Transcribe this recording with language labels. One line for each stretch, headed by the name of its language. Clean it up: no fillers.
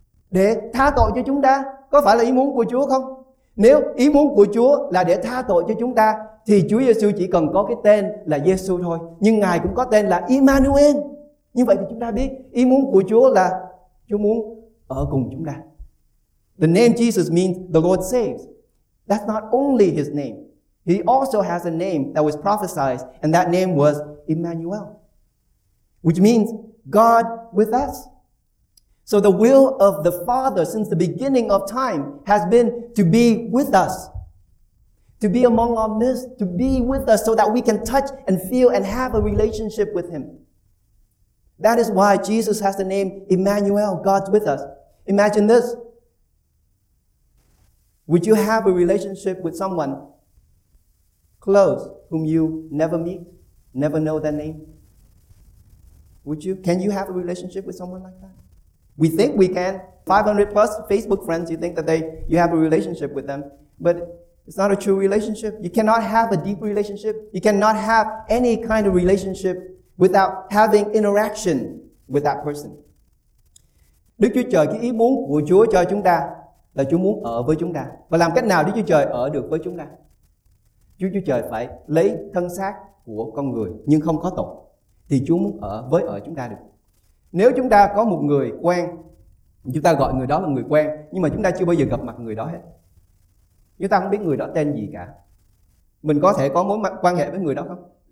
Vietnamese: Để tha tội cho chúng ta. Có phải là ý muốn của Chúa không? Nếu ý muốn của Chúa là để tha tội cho chúng ta, thì Chúa Giêsu chỉ cần có cái tên là Giêsu thôi. Nhưng Ngài cũng có tên là Emmanuel. Như vậy thì chúng ta biết ý muốn của Chúa là Chúa muốn ở cùng chúng ta.
English: The name Jesus means the Lord saves. That's not only his name. He also has a name that was prophesied, and that name was Emmanuel, which means God with us. So the will of the Father since the beginning of time has been to be with us, to be among our midst, to be with us so that we can touch and feel and have a relationship with him. That is why Jesus has the name Emmanuel, God with us. Imagine this. Would you have a relationship with someone close whom you never meet, never know their name? Would you? Can you have a relationship with someone like that? We think we can. 500 plus Facebook friends, you think that you have a relationship with them. But it's not a true relationship. You cannot have a deep relationship. You cannot have any kind of relationship without having interaction with that person.
Vietnamese: Đức Chúa Trời, cái ý muốn của Chúa cho chúng ta là Chúa muốn ở với chúng ta. Và làm cách nào Đức Chúa Trời ở được với chúng ta? Chúa Trời phải lấy thân xác của con người nhưng không có tội, thì Chúa muốn ở với ở chúng ta được. Nếu chúng ta có một người quen, chúng ta gọi người đó là người quen, nhưng mà chúng ta chưa bao giờ gặp mặt người đó hết, chúng ta không biết người đó tên gì cả, mình có thể có mối quan hệ với người đó không?